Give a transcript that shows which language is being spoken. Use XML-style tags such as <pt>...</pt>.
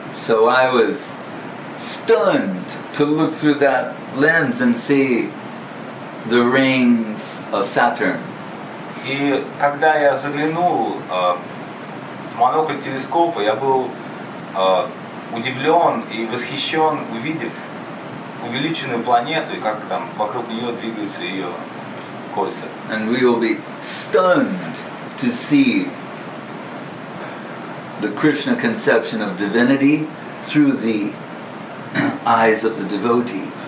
<en>So I was stunned to look through that lens and see the rings of Saturn.</en> <ru>И когда я заглянул в монокль телескопа, я был удивлен и восхищен, увидев увеличенную планету и как там вокруг нее двигаются ее кольца.</ru> <en>And we will be stunned to see the Krishna conception of divinity through the eyes of the devotee.</en>